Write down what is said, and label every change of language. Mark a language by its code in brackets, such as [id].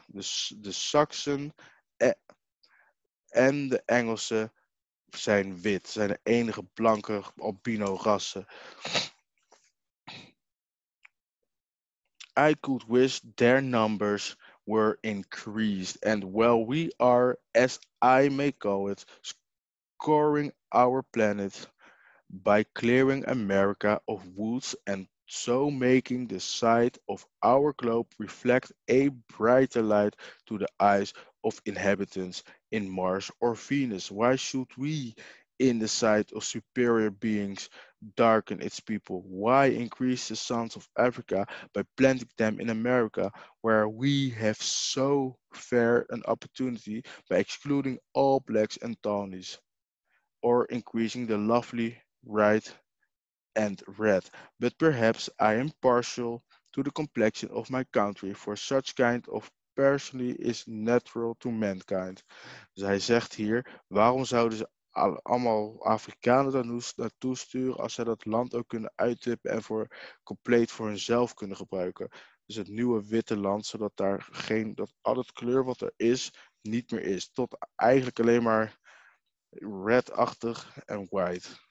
[nl] De Saksen en de Engelsen zijn wit, zijn de enige blanke albino-rassen. [en] I could wish their numbers were increased, and well, we are, as I may call it, scouring our planet by clearing America of woods and so making the side of our globe reflect a brighter light to the eyes of inhabitants in Mars or Venus. Why should we, in the sight of superior beings, darken its people? Why increase the sons of Africa by planting them in America, where we have so fair an opportunity, by excluding all blacks and tawnies, or increasing the lovely white and red? But perhaps I am partial to the complexion of my country, for such kind of personally is natural to mankind. [nl] Dus hij zegt hier, waarom zouden ze allemaal Afrikanen daar naartoe sturen als zij dat land ook kunnen uittippen en compleet voor hunzelf kunnen gebruiken? Dus het nieuwe witte land, zodat daar geen, dat al het kleur wat er is, niet meer is. Tot eigenlijk alleen maar red-achtig en white.